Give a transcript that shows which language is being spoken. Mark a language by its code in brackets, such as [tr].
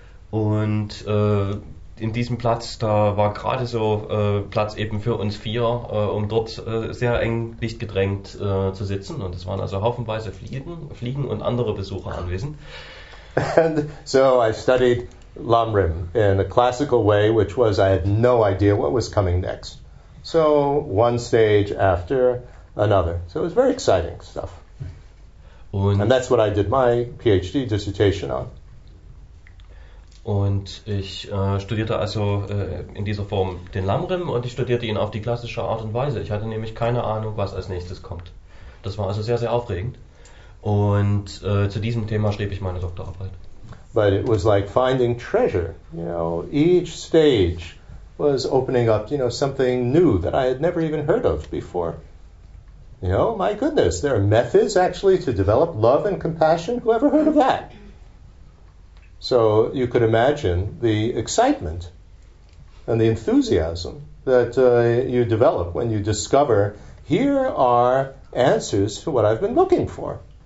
[de] Und in diesem Platz, da war gerade so Platz eben für uns vier, um dort sehr eng dicht gedrängt zu sitzen. Und es waren also haufenweise Fliegen und andere Besucher anwesend. [en] And so I studied Lamrim in a classical way, which was I had no idea what was coming next. So one stage after another. So it was very exciting stuff. And that's what I did my PhD dissertation on. [de] Und ich studierte also in dieser Form den Lamrim, und ich studierte ihn auf die klassische Art und Weise. Ich hatte nämlich keine Ahnung, was als nächstes kommt. Das war also sehr, sehr aufregend. Und zu diesem Thema schrieb ich meine Doktorarbeit. [en] But it was like finding treasure. You know, each stage was opening up, you know, something new that I had never even heard of before. You know, my goodness, there are methods actually to develop love and compassion. Who ever heard of that? So you could imagine the excitement and the enthusiasm that you develop when you discover here are answers to what I've been looking for.